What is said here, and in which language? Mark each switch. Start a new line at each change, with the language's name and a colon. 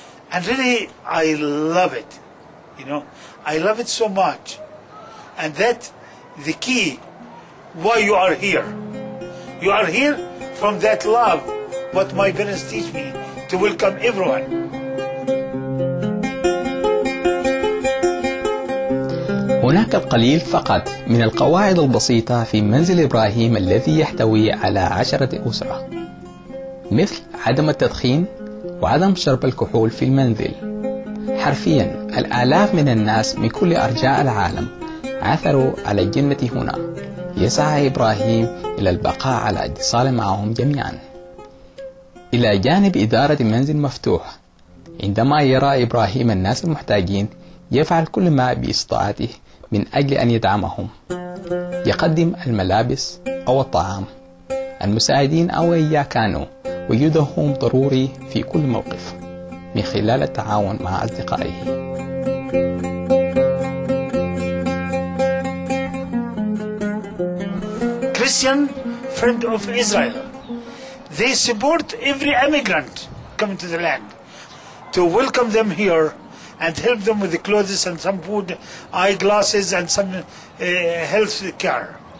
English: And really, I love it. You know, I love it so much. And that's the key why you are here. You are here from that love, what my parents teach me, to welcome everyone.
Arabic: هنا هناك القليل فقط من القواعد البسيطة في منزل إبراهيم الذي يحتوي على 10 أسرة، مثل عدم التدخين وعدم شرب الكحول في المنزل. حرفيا الآلاف من الناس من كل أرجاء العالم عثروا على الجنة هنا. يسعى إبراهيم إلى البقاء على اتصال معهم جميعا. إلى جانب إدارة منزل مفتوح، عندما يرى إبراهيم الناس المحتاجين يفعل كل ما باستطاعته من أجل أن يدعمهم، يقدم الملابس أو الطعام، المساعدين أو إيا كانوا، وجودهم ضروري في كل موقف من خلال التعاون مع أصدقائه.
English: Christian friend of Israel, they support every immigrant coming to the land to welcome them here and help them with the clothes and some food, eyeglasses and some health care.